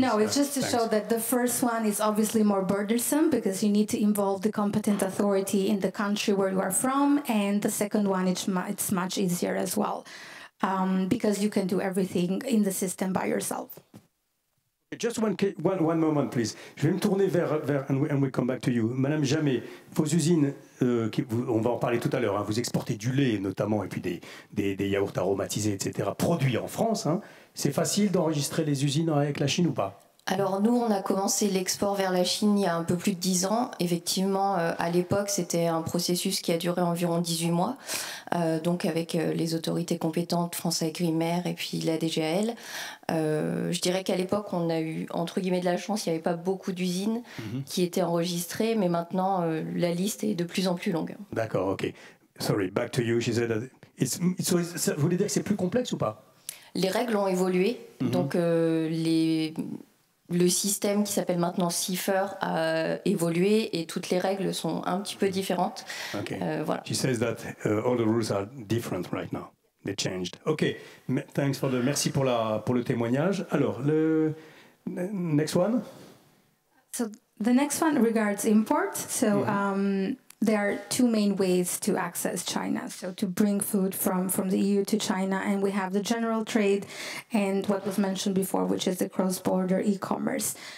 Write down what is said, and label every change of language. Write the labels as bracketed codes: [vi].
[en] No, it's just to show that the first one is obviously more burdensome because you need to involve the competent authority in the country where you are from. And the second one, it's much easier as well. Because you can do everything in the system by yourself. Just one moment, please. [fr] Je vais me tourner vers [en] and we'll come back to you. [fr] Madame Jamais, vos usines, on va en parler tout à l'heure, hein, vous exportez du lait notamment et puis des yaourts aromatisés, etc., produits en France. Hein. C'est facile d'enregistrer les usines avec la Chine ou pas? Alors nous, on a commencé l'export vers la Chine il y a un peu plus de 10 ans. Effectivement, à l'époque, c'était un processus qui a duré environ 18 mois, donc avec les autorités compétentes, France Agrimaire et puis la DGAL. Je dirais qu'à l'époque, on a eu, entre guillemets, de la chance, il n'y avait pas beaucoup d'usines qui étaient enregistrées, mais maintenant, la liste est de plus en plus longue. D'accord, ok. [en] Sorry, back to you. She said that [fr] ça voulait dire que c'est plus complexe ou pas? Les règles ont évolué, donc le système qui s'appelle maintenant CIFER a évolué et toutes les règles sont un petit peu différentes. Okay. Voilà. [en] She says that all the rules are different right now. They changed. Okay. Thanks for the. [fr] Merci pour le témoignage. Alors le [en] next one. So the next one regards import. So there are two main ways to access China, so to bring food from the EU to China, and we have the general trade and what was mentioned before, which is the cross-border e-commerce.